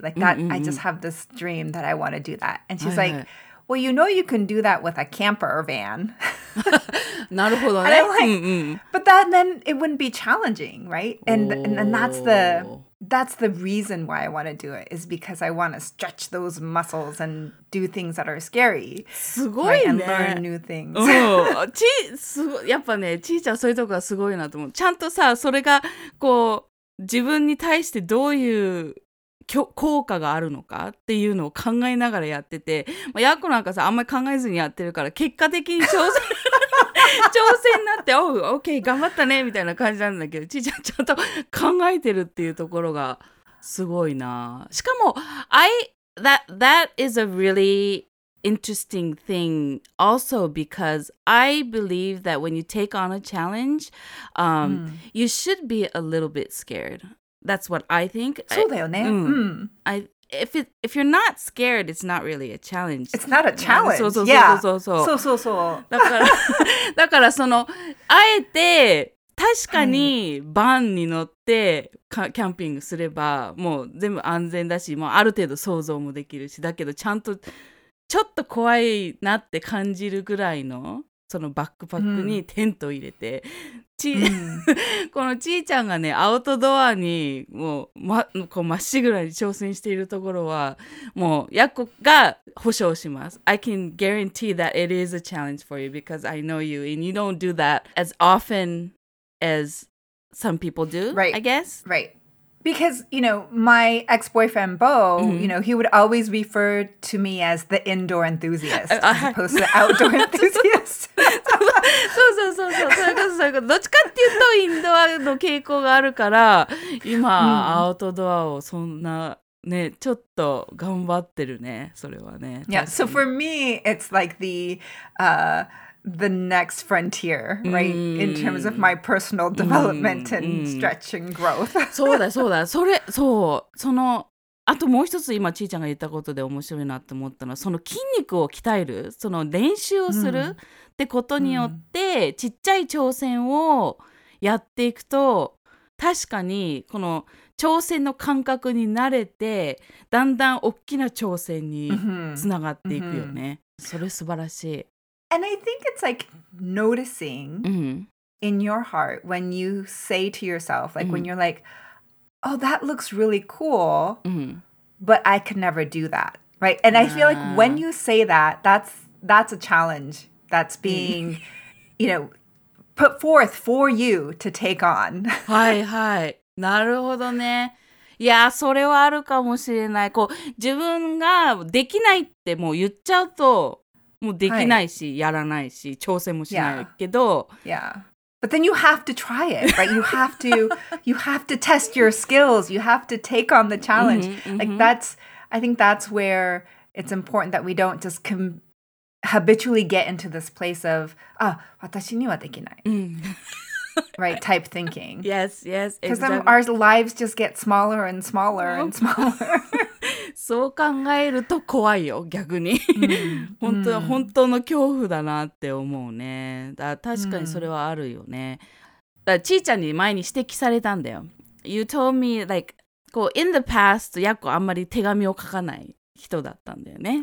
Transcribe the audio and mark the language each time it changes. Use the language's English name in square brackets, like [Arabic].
[English] Like that, mm-hmm. I just have this dream that I want to do that. And she's like, well, you know you can do that with a camper or van. [Japanese] なるほどね。 [English] And I'm like, mm-hmm. But then it wouldn't be challenging, right? And that's the reason why I want to do it, is because I want to stretch those muscles and do things that are scary. [Japanese] すごいね。 [English] Right? And learn new things. [Japanese] やっぱね、ちーちゃんそういうとこがすごいなと思う。ちゃんとさ、それがこう、自分に対してどういう効果があるのかっていうのを考えながらやってて、まあ、やっこなんかさあんまり考えずにやってるから結果的に挑戦になって、おう、オッケー、頑張ったねみたいな感じなんだけど、ちーちゃんちゃんと考えてるっていうところがすごいな。しかも [English] that is a really interesting thing also, because I believe that when you take on a challenge, you should be a little bit scared. That's what I think. [Japanese] そうだよね。 [English] If you're not scared, it's not really a challenge. It's not a challenge. [Japanese] そうそうそうそうそう。そうそうそう。だからその、あえて確かにバンに乗ってキャンピングすれば、もう全部安全だし、もうある程度想像もできるし、だけどちゃんとちょっと怖いなって感じるぐらいの、そのバックパックにテントを入れて、ち、うん、このちーちゃんがねアウトドアにもう、ま、こうまっしぐらに挑戦しているところはもうやっこが保証します。 [English] I can guarantee that it is a challenge for you because I know you and you don't do that as often as some people do, right? I guess, right? Because you know my ex-boyfriend Bo, mm-hmm. you know, he would always refer to me as the indoor enthusiast as opposed to the outdoor enthusiast. [Japanese] そうそうそうそう。どっちかっていうとインドアの傾向があるから、今、mm-hmm. アウトドアをそんなね、ちょっと頑張ってるね、それはね。 [English] Yeah. So for me, it's like the next frontier, right? Mm. In terms of my personal development and stretch and growth. [Japanese] そうだそうだ。それ、そう。その、あともう一つ今ちーちゃんが言ったことで面白いなって思ったのは、その筋肉を鍛える、その練習をするってことによって、mm. ちっちゃい挑戦をやっていくと、確かにこの挑戦の感覚に慣れて、だんだん大きな挑戦につながっていくよね。 Mm-hmm. それ素晴らしい。 [English] And I think it's like noticing mm-hmm. in your heart when you say to yourself, like mm-hmm. when you're like, oh, that looks really cool, mm-hmm. but I could never do that, right? And I feel like when you say that, that's a challenge that's being, mm-hmm. you know, put forth for you to take on. [Japanese] はいはい。なるほどね。いや、それはあるかもしれない。こう、自分ができないってもう言っちゃうと、もうできないし、はい、やらないし、挑戦もしないけど。 [English] Yeah. Yeah. But then you have to try it, right? You have to, you have to test your skills. You have to take on the challenge. Mm-hmm. Like that's, I think that's where it's important that we don't just habitually get into this place of, ah, [Japanese] 私にはできない。 [English] Right, type thinking. Yes, yes. Because then our lives just get smaller and smaller and smaller. [Japanese] そう考えると怖いよ、逆に。本当、mm. 本当の恐怖だなって思うね。だ確かにそれはあるよね。だちーちゃんに前に指摘されたんだよ。 [English] You told me, like, [Japanese] こう [English] in the past, [Japanese] やっこあんまり手紙を書かない人だったんだよね。